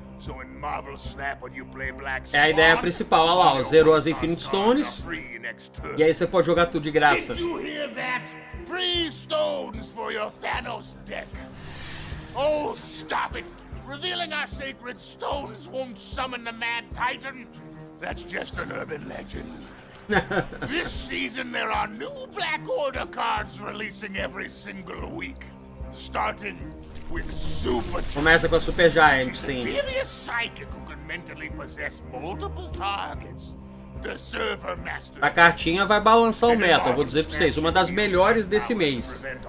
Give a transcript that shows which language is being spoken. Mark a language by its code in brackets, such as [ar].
[en] So in Marvel Snap, when you play Black Swan, [pt] é a ideia principal, olha lá, zerou as Infinity Stones. E aí você pode jogar tudo de graça. [en] Did you hear that? Free stones for your Thanos deck. Oh, stop it! Revealing our sacred stones won't summon the Mad Titan. That's just an urban legend. This season there are new Black Order cards releasing every single week. Starting with Super Giant. [pt] Começa com a Super Giant, sim. [en] She's a devious psychic who can mentally possess multiple targets. The Server Master. [pt] A cartinha vai balançar o meta, eu vou dizer pra vocês. Uma das melhores desse mês.